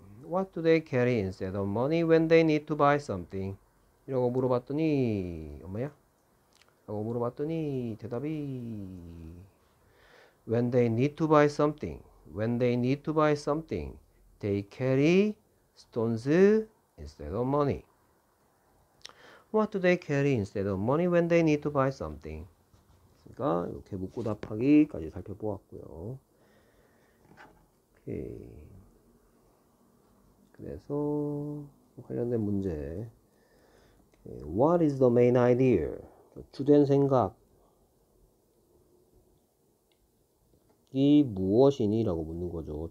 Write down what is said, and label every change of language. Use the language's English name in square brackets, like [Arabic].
[English] What do they carry instead of money when they need to buy something? [Korean] 이라고 물어봤더니, 엄마야? 라고 물어봤더니, 대답이, [English] When they need to buy something, when they need to buy something, they carry stones instead of money. What do they carry instead of money when they need to buy something? [Korean] 그러니까, 이렇게 묻고 답하기까지 살펴보았고요. 오케이. 그래서 관련된 문제. [English] What is the main idea? [Korean] 주된 생각이 무엇이니라고 묻는 거죠.